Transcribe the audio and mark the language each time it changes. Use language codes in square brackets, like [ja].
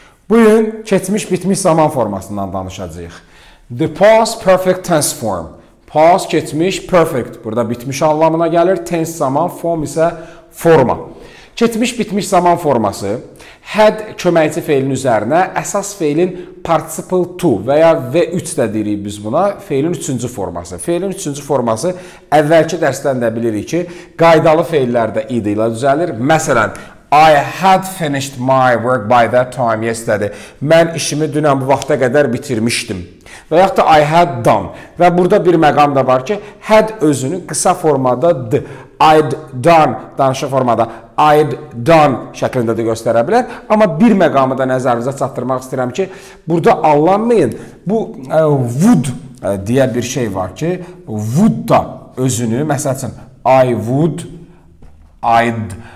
[az] Bugün keçmiş bitmiş zaman formasından danışacağıq. [en] The past perfect tense form. [az] Past keçmiş perfect. Burada bitmiş anlamına gəlir. Tense zaman, form isə forma. Keçmiş bitmiş zaman forması had köməkçi feilin üzərinə əsas feilin participle 2 və ya V3 də deyirik biz buna. Feilin üçüncü forması. Feilin üçüncü forması əvvəlki dərsdən də bilirik ki, qaydalı feillərdə id ilə düzəlir. [en] Məsələn, I had finished my work by that time yesterday. [az] Mən işimi dünən bu vaxta qədər bitirmişdim. Və yaxud da [en] I had done. [az] Və burada bir məqam da var ki, had özünü qısa formada d, I'd done, danışıq formada I'd done şəklində də göstərə bilər. Amma bir məqamı da nəzərinizə çatdırmaq istəyirəm ki, burada anlamayın, bu would deyə bir şey var ki, would da özünü, məsəl üçün, I would, I'd.